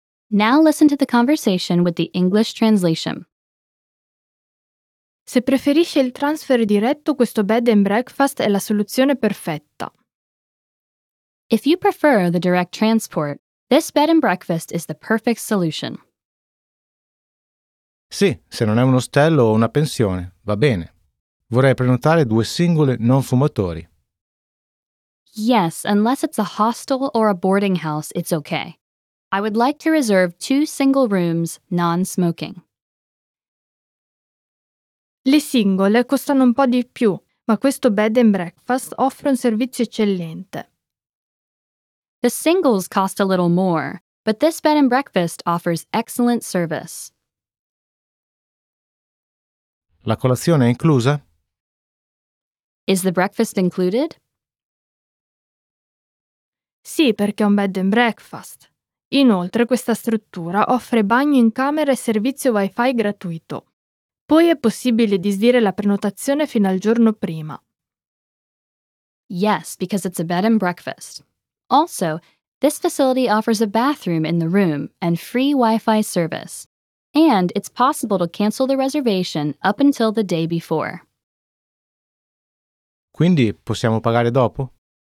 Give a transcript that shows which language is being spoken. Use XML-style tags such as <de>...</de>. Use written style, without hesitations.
<en>Now listen to the conversation with the English translation.</en> <it>Se preferisce il transfer diretto, questo bed and breakfast è la soluzione perfetta.</it> <en>If you prefer the direct transport, this bed and breakfast is the perfect solution.</en> <it>Sì, se non è un ostello o una pensione, va bene. Vorrei prenotare due single non fumatori.</it> <en>Yes, unless it's a hostel or a boarding house, it's okay. I would like to reserve two single rooms non-smoking.</en> <it>Le single costano un po' di più, ma questo bed and breakfast offre un servizio eccellente.</it> <en>The singles cost a little more, but this bed and breakfast offers excellent service.</en> <it>La colazione è inclusa?</it> <en>Is the breakfast included?</en> <it>Sì, perché è un bed and breakfast. Inoltre, questa struttura offre bagno in camera e servizio wifi gratuito. Poi è possibile disdire la prenotazione fino al giorno prima.</it> <en>Yes, because it's a bed and breakfast. Also, this facility offers a bathroom in the room and free Wi-Fi service. And it's possible to cancel the reservation up until the day before.</en> <it>Quindi possiamo pagare dopo?</it>